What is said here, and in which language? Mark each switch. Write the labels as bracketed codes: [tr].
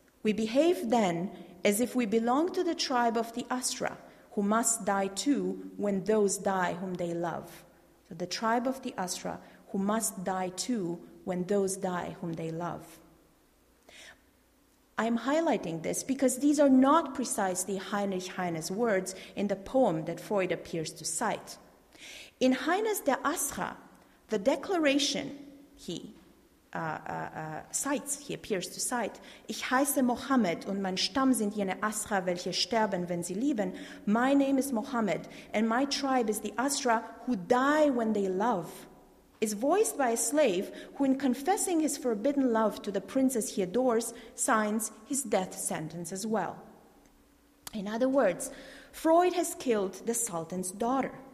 [en] We behave then as if we belong to the tribe of the Astra, who must die too when those die whom they love. So the tribe of the Astra, who must die too when those die whom they love. I'm highlighting this because these are not precisely Heinrich Heine's words in the poem that Freud appears to cite. In Heine's Der Astra, the declaration he appears to cite, [de] Ich heiße Mohammed und mein Stamm sind jene Astra, welche sterben, wenn sie lieben. [en] My name is Mohammed and my tribe is the Astra who die when they love. Is voiced by a slave who, in confessing his forbidden love to the princess he adores, signs his death sentence as well. In other words, Freud has killed the Sultan's daughter.